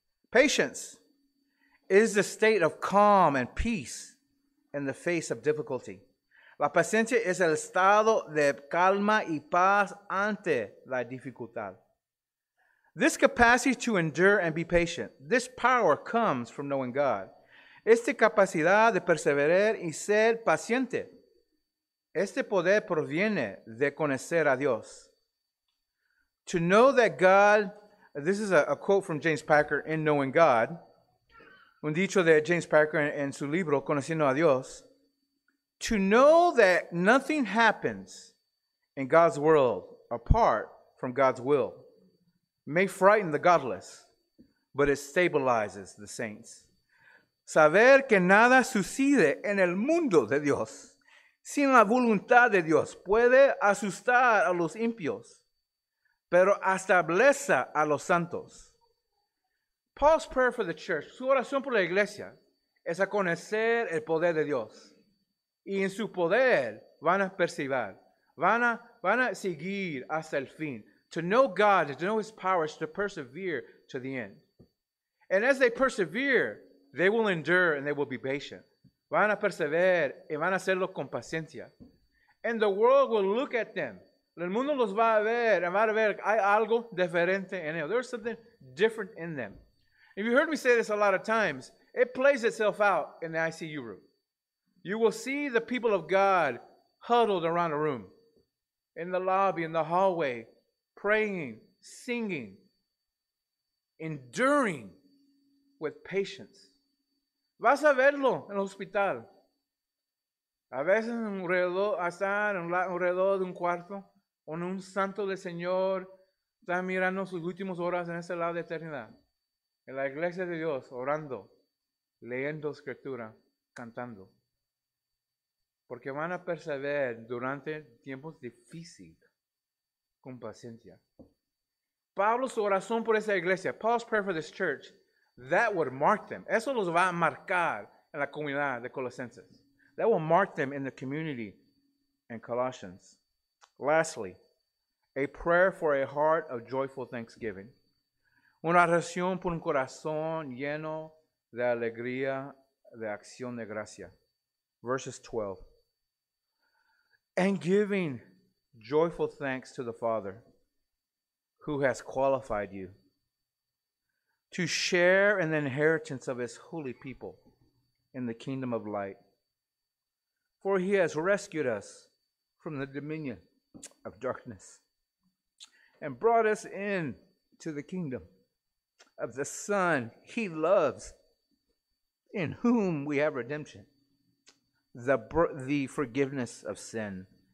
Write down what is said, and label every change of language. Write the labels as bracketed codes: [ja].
[en] Patience is the state of calm and peace in the face of difficulty. [es] La paciencia es el estado de calma y paz ante la dificultad. [en] This capacity to endure and be patient, this power comes from knowing God. [es] Esta capacidad de perseverar y ser paciente, este poder proviene de conocer a Dios. [en] To know that God, this is a quote from James Packer in Knowing God, [es] un dicho de James Packer en su libro, Conociendo a Dios. [en] To know that nothing happens in God's world apart from God's will may frighten the godless, but it stabilizes the saints. [es] Saber que nada sucede en el mundo de Dios sin la voluntad de Dios puede asustar a los impios, pero establece a los santos. [en] Paul's prayer for the church, [es] su oración por la iglesia, es a conocer el poder de Dios. Y en su poder van a percibir, van a seguir hasta el fin. [en] To know God, to know His power, is to persevere to the end. And as they persevere, they will endure and they will be patient. [es] Van a perseverar y van a hacerlo con paciencia. [en] And the world will look at them. [es] El mundo los va a ver y va a ver que hay algo diferente en ellos. [en] There's something different in them. If you heard me say this a lot of times, it plays itself out in the ICU room. You will see the people of God huddled around a room, in the lobby, in the hallway, praying, singing, enduring with patience. [es] Vas a verlo en el hospital. A veces alrededor de un cuarto, o un santo del Señor está mirando sus últimas horas en ese lado de eternidad. En la iglesia de Dios, orando, leyendo escritura, cantando. Porque van a perseverar durante tiempos difíciles, con paciencia. Pablo's oración por esa iglesia, [en] Paul's prayer for this church, that would mark them. [es] Eso los va a marcar en la comunidad de Colosenses. [en] That will mark them in the community in Colossians. Lastly, a prayer for a heart of joyful thanksgiving. [es] Una oración por un corazón lleno de alegría, de acción de gracia. [en] verses 12. And giving joyful thanks to the Father who has qualified you to share in the inheritance of his holy people in the kingdom of light. For he has rescued us from the dominion of darkness and brought us in to the kingdom of the Son he loves, in whom we have redemption, the forgiveness of sin.